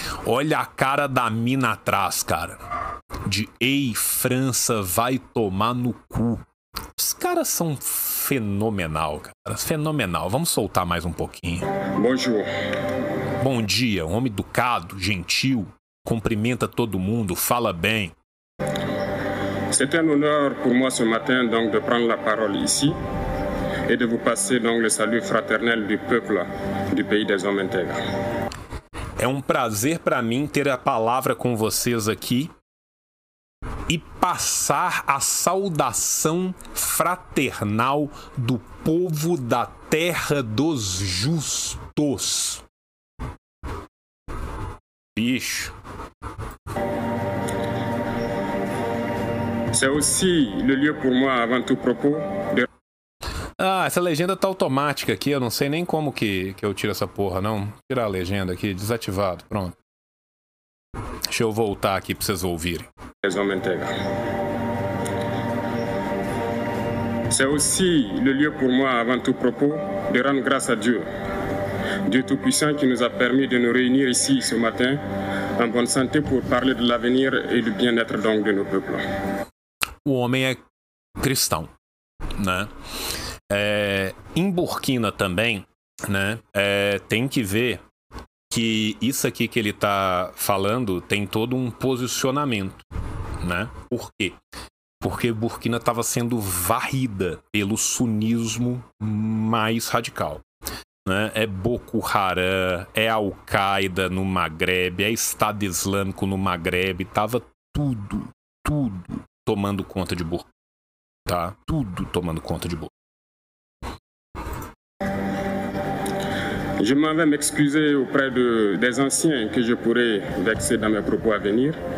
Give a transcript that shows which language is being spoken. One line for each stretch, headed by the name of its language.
Portuguese: Olha a cara da mina atrás, cara. De ei, França, vai tomar no cu. Os caras são fenomenal, cara. Fenomenal. Vamos soltar mais um pouquinho.
French: Bonjour.
Portuguese: Bom dia, um homem educado, gentil. Cumprimenta todo mundo, fala bem.
French: C'est un honneur pour moi ce matin donc de prendre la parole ici et de vous passer donc le salut fraternel du peuple du pays des hommes intègres.
Portuguese: É um prazer para mim ter a palavra com vocês aqui e passar a saudação fraternal do povo da terra dos justos. Bicho.
French: C'est aussi le lieu pour moi avant tout propos de...
Portuguese: Ah, essa legenda tá automática aqui. Eu não sei nem como que eu tiro essa porra, não. Tirar a legenda aqui, desativado, pronto. Deixa eu voltar aqui pra vocês ouvirem.
French: C'est aussi le lieu pour moi avant tout propos de rendre grâce à Dieu. Dieu Tout-Puissant qui nous a permis de nous réunir ici ce matin en bonne santé pour parler de l'avenir et du bien-être donc de nos peuples.
Portuguese: O homem é cristão, né? É, em Burkina também, né? É, tem que ver que isso aqui que ele tá falando tem todo um posicionamento, né? Por quê? Porque Burkina tava sendo varrida pelo sunismo mais radical. É Boko Haram, é Al-Qaeda no Maghreb, é Estado Islâmico no Maghreb, tava tudo tomando conta de Burkina, tá? Tudo tomando conta de Burkina.
French: Je m'en vais m'excuser auprès des anciens que je pourrais vexer dans mes propos à venir.